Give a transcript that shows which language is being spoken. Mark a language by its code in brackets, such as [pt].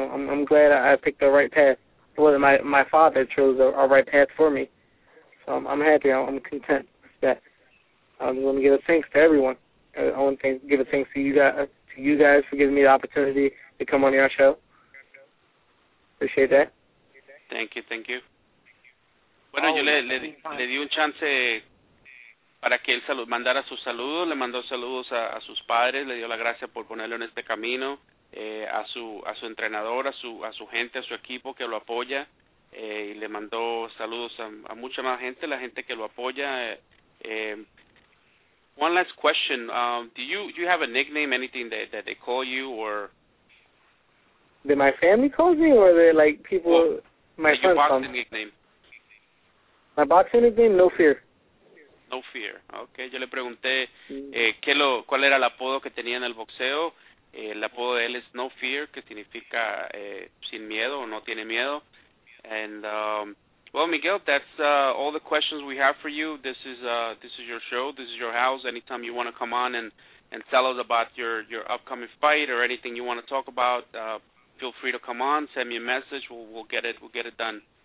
[en] I'm glad I picked the right path. Well, my father chose the right path for me. So I'm happy. I'm content with that. I'm going to give a thanks to everyone. I want to give a thanks to you guys. You guys for giving me the opportunity to come on your show. Appreciate that. Thank you. [es] Bueno, yo le di un chance para que él mandara sus saludos. Le mandó saludos a sus padres. Le dio la gracia por ponerlo en este camino. a su entrenador, a su gente, a su equipo que lo apoya, y le mandó saludos a mucha más gente, la gente que lo apoya. [en] One last question. Do you have a nickname, anything that they call you, or that my family calls me, or the like people, well, my friends call me? Your boxing nickname. My boxing nickname, No Fear. No Fear. Okay. [es] Yo le pregunté cuál era el apodo que tenía en el boxeo. El apodo de él es No Fear, que significa sin miedo o no tiene miedo. [en] And well, Miguel, that's all the questions we have for you. This is your show. This is your house. Anytime you want to come on and tell us about your upcoming fight or anything you want to talk about, feel free to come on. Send me a message. We'll get it done.